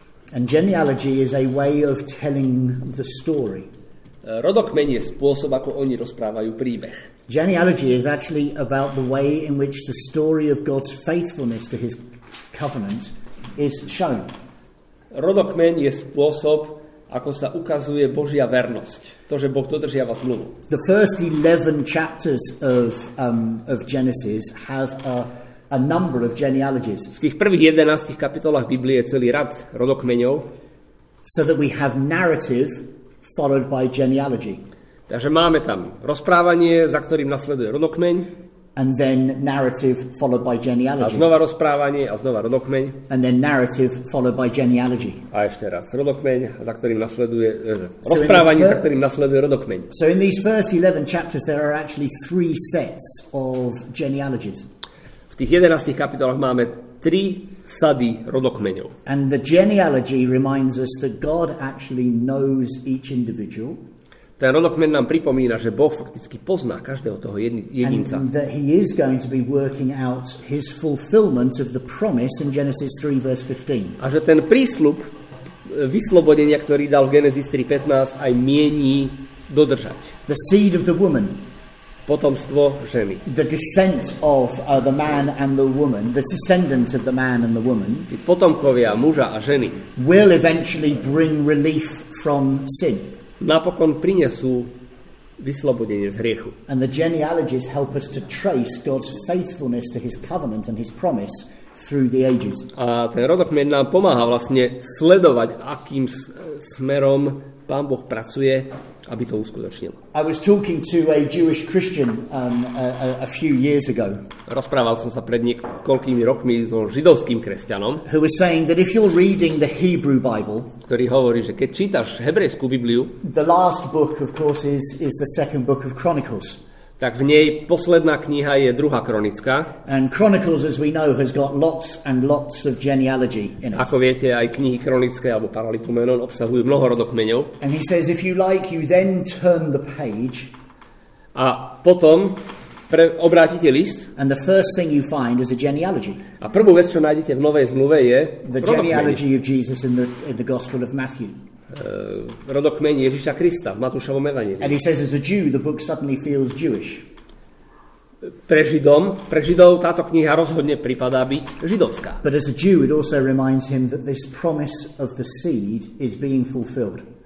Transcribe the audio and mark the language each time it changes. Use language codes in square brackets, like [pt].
[en] And genealogy is a way of telling the story. [sk] Rodokmeň je spôsob, ako oni rozprávajú príbeh. [en] Genealogy is actually about the way in which the story of God's faithfulness to his covenant is shown. [sk] Rodokmeň je spôsob, ako sa ukazuje Božia vernosť, to, že Boh dodržiava zmluvu. [en] The first 11 chapters of Genesis have a number of genealogies. [sk] V tých prvých 11 kapitolách Biblie je celý rad rodokmeňov. [en] So that we have narrative followed by genealogy. [sk] Takže máme tam rozprávanie, za ktorým nasleduje rodokmeň. [en] And then narrative followed by genealogy. [sk] A znova rozprávanie a znova rodokmeň. [en] And then narrative followed by genealogy. [sk] A ešte raz rodokmeň, za ktorým nasleduje rozprávanie, za ktorým nasleduje rodokmeň. [en] So in these first 11 chapters there are actually three sets of genealogies. [sk] V tých 11 kapitolách máme tri sady rodokmeňov. [en] And the genealogy reminds us that God actually knows each individual. [sk] Ten rodokmeň nám pripomína, že Boh fakticky pozná každého toho jedinca. [en] And that he is going to be working out his fulfillment of the promise in Genesis 3 verse 15. [sk] A že ten prísľub vyslobodenia, ktorý dal Genesis 3:15, aj mieni dodržať. [en] The seed of the woman. [sk] Potomstvo ženy. [en] The descent of the man and the woman, the descendants of the man and the woman, [sk] tí potomkovia muža a ženy, [en] will eventually bring relief from sin. [sk] Napokon prinesú vyslobodenie z hriechu. [en] And the genealogies help us to trace God's faithfulness to his covenant and his promise through the ages. [sk] A ten rodokmeň nám pomáha vlastne sledovať, akým smerom Pán Boh pracuje, aby to uskutočnil. [en] I was talking to a Jewish Christian a few years ago. [sk] Rozprával som sa pred niekoľkými rokmi so židovským kresťanom. [en] Who was saying that if you're reading the Hebrew Bible, [sk] ktorý hovorí, že keď čítaš hebrejskú Bibliu, [en] the last book of course is the second book of Chronicles. [sk] tak v nej posledná kniha je druhá kronická. [en] And Chronicles, as we know, has got lots and lots of genealogy in it. [sk] Ako viete, aj knihy kronické alebo paralipomenon obsahujú mnoho rodokmeňov. [en] And he says, if you like, you then turn the page. [sk] A potom obrátite list. [en] And the first thing you find is a genealogy. [sk] A prvú vec, čo nájdete v Novej zmluve, je [en] the genealogy of Jesus in the Gospel of Matthew. [sk] Rodokmeň Ježiša Krista v Matúšovom evanjeliu. [en] And he says as a Jew the book suddenly feels Jewish. [sk] Pre Židov táto kniha rozhodne pripadá byť židovská. [en] But as a Jew it also reminds him that this promise of the seed is being fulfilled.